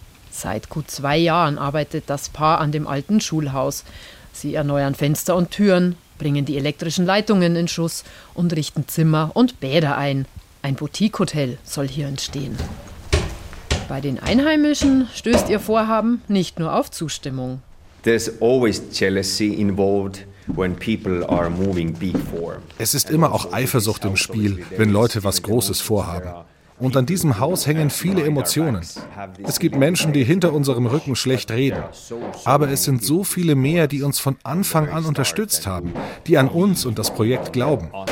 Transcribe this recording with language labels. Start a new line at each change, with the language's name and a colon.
German: Seit gut 2 Jahren arbeitet das Paar an dem alten Schulhaus. Sie erneuern Fenster und Türen, bringen die elektrischen Leitungen in Schuss und richten Zimmer und Bäder ein. Ein Boutique-Hotel soll hier entstehen. Bei den Einheimischen stößt ihr Vorhaben nicht nur auf Zustimmung.
English: There's always jealousy involved. When people are moving before.
German: Es ist immer auch Eifersucht im Spiel, wenn Leute was Großes vorhaben. Und an diesem Haus hängen viele Emotionen. Es gibt Menschen, die hinter unserem Rücken schlecht reden. Aber es sind so viele mehr, die uns von Anfang an unterstützt haben, die an uns und das Projekt glauben.